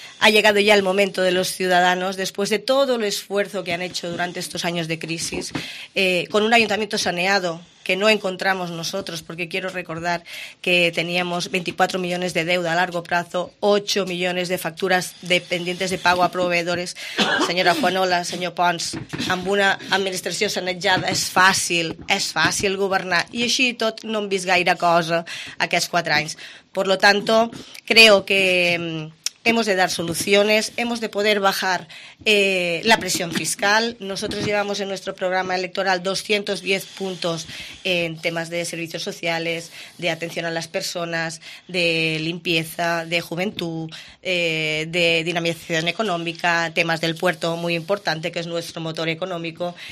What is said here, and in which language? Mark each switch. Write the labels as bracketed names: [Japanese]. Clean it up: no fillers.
[Spanish] Ha llegado ya el momento de los ciudadanos, después de todo el esfuerzo que han hecho durante estos años de crisis, con un ayuntamiento saneado que no encontramos nosotros, porque quiero recordar que teníamos 24 millones de deuda a largo plazo, 8 millones de facturas pendientes de pago a proveedores. [Catalan] Señora Juanola, señor Pons, amb una administració sanejada és fàcil governar, i així tot no hem vist gaire cosa aquests 4 anys. [Spanish] Por lo tanto, creo que... hemos de dar soluciones, hemos de poder bajar la presión fiscal. Nosotros llevamos en nuestro programa electoral 210 puntos en temas de servicios sociales, de atención a las personas, de limpieza, de juventud, de dinamización económica, temas del puerto muy importante, que es nuestro motor económico.